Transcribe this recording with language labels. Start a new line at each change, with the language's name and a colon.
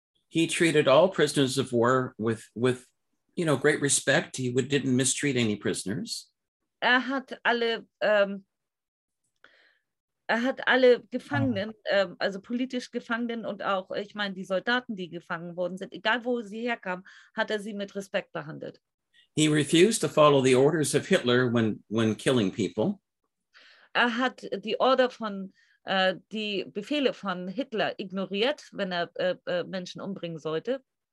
English: He treated all prisoners of war with you know, great respect. He didn't mistreat any prisoners.
German: Er hat alle Gefangenen, also politisch Gefangenen und auch, ich meine, die Soldaten, die gefangen worden sind, egal wo sie herkamen, hat er sie mit Respekt behandelt.
English: He refused to follow the orders of Hitler when killing people.
German: Er hat die Order von die Befehle von Hitler ignoriert, wenn er Menschen umbringen sollte.